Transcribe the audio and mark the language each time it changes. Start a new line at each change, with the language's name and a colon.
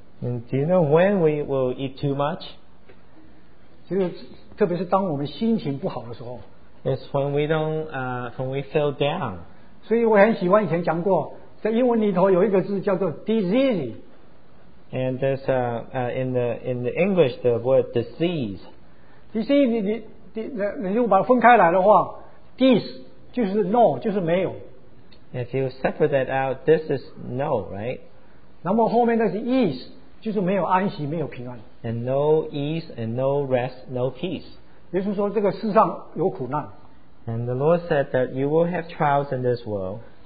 English: And do you know when we will eat too much?
Chinese: 就是特别是当我们心情不好的时候。
English: It's when we don't feel down.
Chinese: 所以我很喜欢以前讲过, 在英文里头有一个字叫做 disease.
English: And there's in the English the word disease.
Chinese: Disease, 你如果把它分开来的话, dis 就是 no, 就是没有.
English: If you separate that out, this is no, right?
Chinese: 那么后面那是 ease, 就是没有安息, 没有平安.
English: And no ease and no rest, no peace.
Chinese: 也就是说这个世上有苦难。
English: And the Lord said that you will have trials in this world.